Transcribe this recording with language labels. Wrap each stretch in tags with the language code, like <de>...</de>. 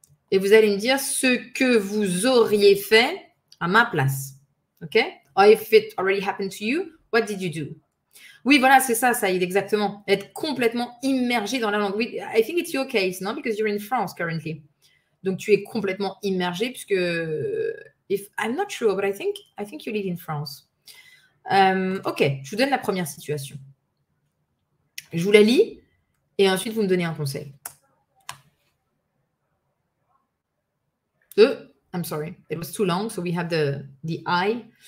<fr>Et vous allez me dire ce que vous auriez fait à ma place. OK?</fr> <en>Or if it already happened to you, what did you do?</en> <fr>Oui, voilà, c'est ça, Saïd, exactement. Être complètement immergé dans la langue.</fr> <en>I think it's your case, no? Because you're in France currently.</en> <fr>Donc, tu es complètement immergé puisque...</fr> <en>If, I'm not sure, but I think you live in France.</en> <fr>OK, je vous donne la première situation. Je vous la lis et ensuite vous me donnez un conseil.</fr> <en>I'm sorry, it was too long, so we have the I.</en>